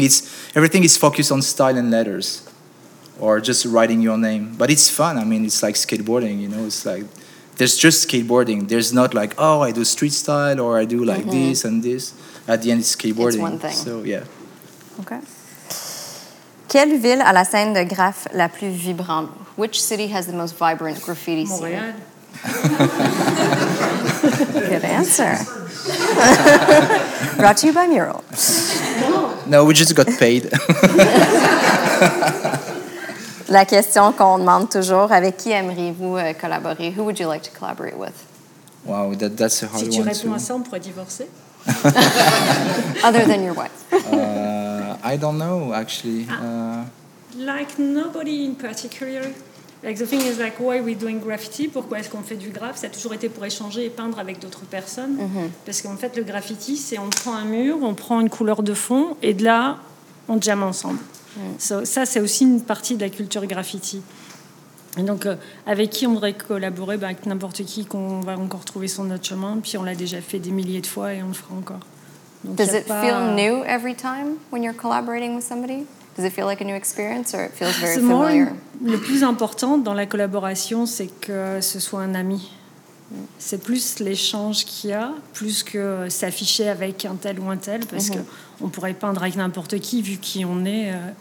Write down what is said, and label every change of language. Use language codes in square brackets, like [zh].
[en] It's everything is focused on style and letters, or just writing your name. But it's fun. I mean, it's like skateboarding. You know, it's like there's just skateboarding. There's not like, oh, I do street style or I do like this and this. At the end, it's skateboarding. It's one thing. So, yeah. Okay. [fr] Quelle ville a la scène de graff la plus vibrante? [en] Which city has the most vibrant graffiti scene? Montréal. Good answer. Brought to you by Mural. No, we just got paid. [fr] La question qu'on demande toujours, avec qui aimeriez-vous collaborer? [en] Who would you like to collaborate with? Wow, that's a hard one. [fr] Si tu [en] one [fr] réponds [en] too. [fr] À ça, on pourrait divorcer. [en] Other than your wife. I don't know, actually. Like nobody in particular. Like the thing is like, why are we doing graffiti? [fr] Pourquoi est-ce qu'on fait du graff? Ça a toujours été pour échanger et peindre avec d'autres personnes. Mm-hmm. Parce qu'en fait, le graffiti, c'est on prend un mur, on prend une couleur de fond, et de là, on jam ensemble. So, ça, c'est aussi une partie de la culture graffiti. Et donc, avec qui on voudrait collaborer? Ben, avec n'importe qui qu'on va encore trouver sur notre chemin. Puis on l'a déjà fait des milliers de fois et on le fera encore. [en] Donc, does it feel new every time when you're collaborating with somebody? Does it feel like a new experience or it feels very [fr] c'est [en] familiar? [fr] Le plus important dans la collaboration, c'est que ce soit un ami. C'est plus l'échange qu'il y a, plus que s'afficher avec un tel ou un tel, parce qu'on pourrait peindre avec n'importe qui, vu qui on est.